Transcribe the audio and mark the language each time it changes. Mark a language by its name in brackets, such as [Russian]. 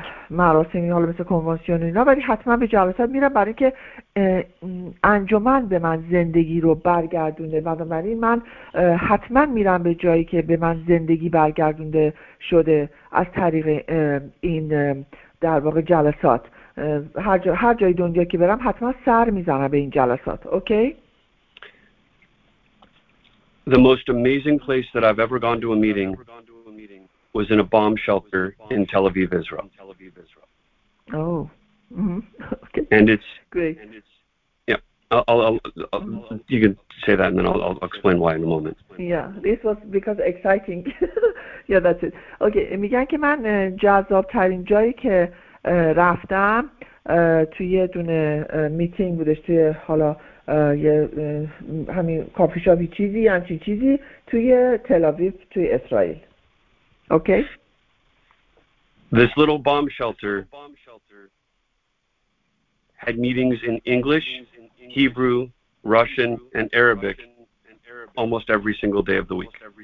[Persian] مراسمی حالا مثل کنوانسیون و اینا، ولی حتما به جلسات میرم برای که انجمن به من زندگی رو برگردونده، بنابراین من حتما میرم به جایی که به من زندگی برگردونده شده از طریق این در واقع جلسات. هر جای دنیا که برم حتما سر میزنم به این جلسات. اوکی. [English] The most amazing place that I've ever gone to a meeting was in a bomb shelter in Tel Aviv, Israel. Oh. Mm-hmm. Okay. And it's great. Yeah. I'll you can say that, and then I'll explain why in a moment. Yeah. This was because exciting. Yeah, that's it. Okay. [Persian] میگن که من جذاب‌ترین جایی که رفتم توی یه دونه میتینگ بودش، توی حالا یه همین کافی شاپی چیزی یا همچین چیزی توی تل آویو توی اسرائیل. اوکی. [English] This little bomb shelter had meetings in English, Hebrew, Russian and Arabic almost every single day of the week.